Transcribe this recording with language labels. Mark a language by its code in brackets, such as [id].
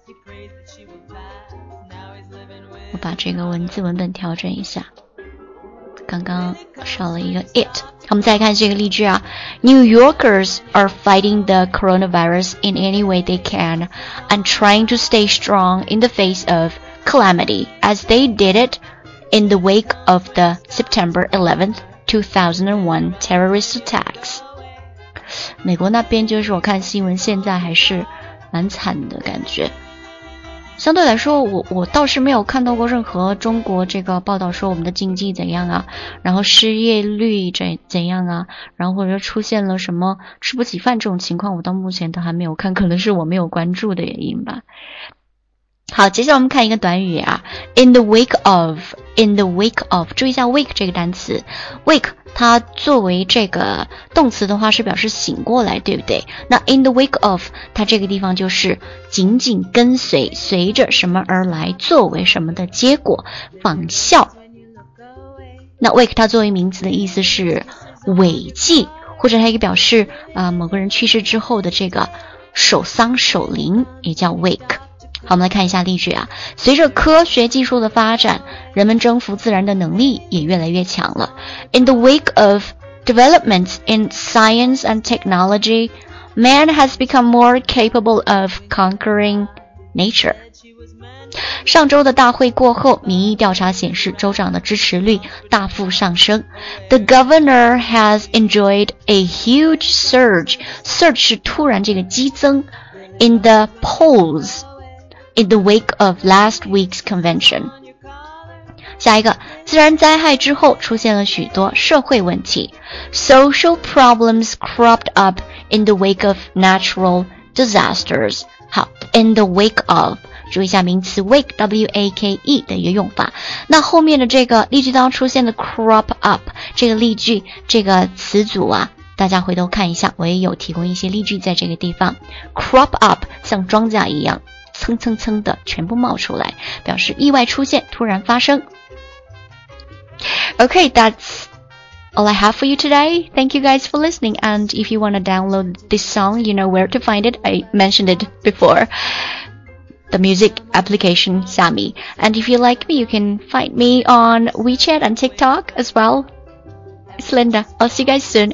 [zh] 我把这个文字文本调整一下，刚刚少了一个 it。我们再看这个例句啊， [en] New Yorkers are fighting the coronavirus in any way they can and trying to stay strong in the face of calamity as they did it in the wake of the September 11th, 2001 terrorist attacks. [zh] 美国那边就是我看新闻现在还是蛮惨的感觉。相对来说我倒是没有看到过任何中国这个报道说我们的经济怎样啊，然后失业率怎样啊，然后或者出现了什么吃不起饭这种情况，我到目前都还没有看，可能是我没有关注的原因吧。好，接下来我们看一个短语啊， [en] in the wake of [zh] 注意一下 wake 这个单词。 wake 它作为这个动词的话是表示醒过来，对不对？那 [en] in the wake of [zh] 它这个地方就是紧紧跟随，随着什么而来，作为什么的结果，仿效。那 wake 它作为名词的意思是违迹，或者它也表示某个人去世之后的这个守丧守灵，也叫 wake。好，我们来看一下例句啊。随着科学技术的发展，人们征服自然的能力也越来越强了。 [en] In the wake of developments in science and technology, man has become more capable of conquering Nature。 [zh] 上周的大会过后，民意调查显示州长的支持率大幅上升。 [en] The governor has enjoyed a huge surge. [zh] Surge 是突然这个激增。 [en] In the polls, in the wake of last week's convention. [zh] 下一个，自然灾害之后出现了许多社会问题。 [en] Social problems cropped up in the wake of natural disasters. [zh] 好 , [en] in the wake of, [zh] 注意一下名词 wake, W-A-K-E 的一个用法。那后面的这个例句当中出现的 crop up, 这个例句这个词组啊，大家回头看一下，我也有提供一些例句在这个地方。 crop up, 像庄稼一样蹭蹭蹭的全部冒出来，表示意外出现，突然发生。 [en] Okay, that's all I have for you today. Thank you guys for listening. And if you want to download this song, you know where to find it. I mentioned it before. The music application, Sammy. And if you like me, you can find me on WeChat and TikTok as well. It's Linda. I'll see you guys soon.